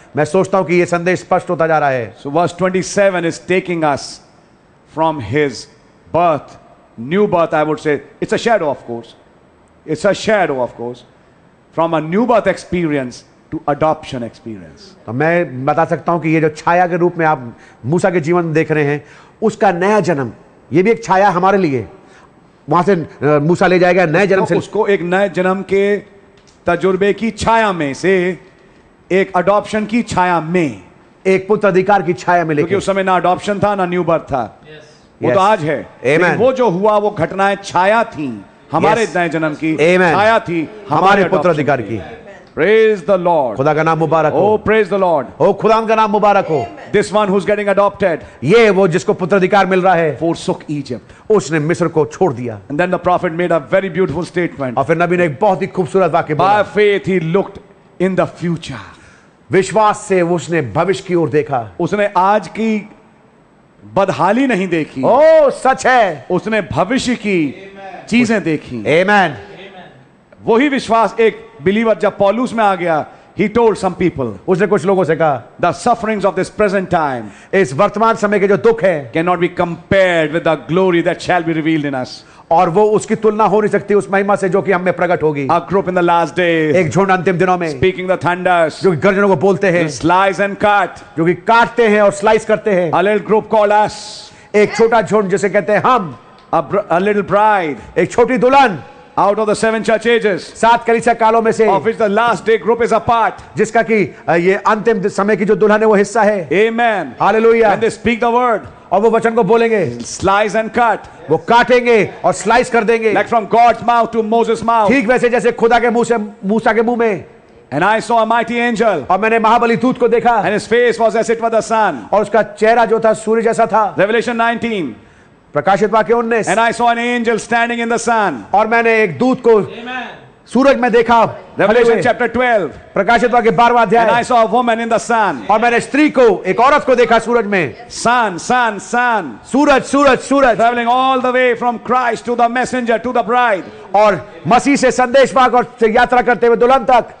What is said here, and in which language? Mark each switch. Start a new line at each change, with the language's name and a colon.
Hindi: मैं सोचता हूं कि ये संदेश स्पष्ट होता जा रहा है
English: So verse 27 is taking us from his birth. New birth, I would say, it's a shadow, of course. It's a shadow, of course, from a new birth experience to adoption experience.
Hindi: तो मैं बता सकता हूँ कि ये जो छाया के रूप में आप मूसा के जीवन देख रहे हैं, उसका नया जन्म, ये भी एक छाया हमारे लिए। वहाँ से मूसा ले जाएगा नए जन्म से। उसको एक नए जन्म के तजुर्बे की छाया में से एक adoption की छाया में, एक पुत्र अधिकार की छाया में लेके। क्योंकि उस समय ना adoption था, ना new birth था।
English: Yes.
Hindi: वो तो आज है
English: Amen.
Hindi: वो जो हुआ वो घटनाएं छाया थी हमारे नए
English: yes.
Hindi: जन्म की
English: Amen.
Hindi: छाया थी हमारे पुत्र अधिकार की
English: Praise the Lord.
Hindi: खुदा का नाम मुबारक हो.
English: Oh, praise the Lord.
Hindi: Oh, खुदा का नाम मुबारक हो.
English: This one who's getting adopted.
Hindi: ये वो जिसको पुत्राधिकार मिल रहा है.
English: Forsook Egypt.
Hindi: उसने मिस्र को छोड़ दिया.
English: And then the prophet made a very beautiful statement.
Hindi: और फिर नबी ने एक बहुत ही खूबसूरत वाक्य बोला.
English: By faith he looked in the future.
Hindi: विश्वास से उसने भविष्य की ओर देखा. उसने आज की बदहाली नहीं देखी. ओ सच है, उसने भविष्य की चीजें देखी. आमेन. वही विश्वास एक बिलीवर जब पौलुस में आ गया,
English: he told some people,
Hindi: उसने कुछ लोगों से कहा,
English: the sufferings of this present time,
Hindi: इस वर्तमान समय के जो दुख हैं,
English: cannot be compared with the glory that shall be revealed in us.
Hindi: और वो उसकी तुलना हो नहीं सकती उस महिमा से जो कि हम में प्रकट होगी.
English: A group in the last days,
Hindi: एक झुंड अंतिम दिनों में,
English: speaking the thunders,
Hindi: जो कि गर्जनों को बोलते हैं,
English: slice and cut,
Hindi: जो कि काटते हैं और स्लाइस करते हैं,
English: a little group called us,
Hindi: एक छोटा झुंड जिसे कहते हैं हम,
English: a little bride,
Hindi: एक छोटी दुल्हन,
English: out of the seven church ages,
Hindi: सात कलीसिया कालों में से,
English: of which the last day group is a part,
Hindi: जिसका कि ये अंतिम समय की जो दुल्हन है वो हिस्सा है.
English: Amen. Hallelujah. And they speak the word,
Hindi: और वो वचन को बोलेंगे,
English: slice and cut,
Hindi: वो काटेंगे और स्लाइस कर देंगे,
English: like from God's mouth to Moses' mouth,
Hindi: ठीक वैसे जैसे खुदा के मुंह से मूसा के मुंह में.
English: And I saw a mighty angel,
Hindi: और मैंने महाबली दूत को देखा,
English: and his face was as it were the sun,
Hindi: और उसका चेहरा जो था सूर्य जैसा था.
English: Revelation 19.
Hindi: प्रकाशित वाक्य 19.
English: And I saw an angel standing in the sun.
Hindi: और मैंने एक दूत को सूरज में देखा.
English: Revelation chapter 12.
Hindi: प्रकाशित वाक्य 12वां अध्याय.
English: And I saw a woman in the sun.
Hindi: और मैंने स्त्री को एक औरत को देखा सूरज में.
English: Sun, sun, sun.
Hindi: Suraj, Suraj, Suraj.
English: Traveling all the way from Christ to the messenger to the bride.
Hindi: और मसीह से संदेशवाहक और यात्रा करते हुए दुल्हन तक.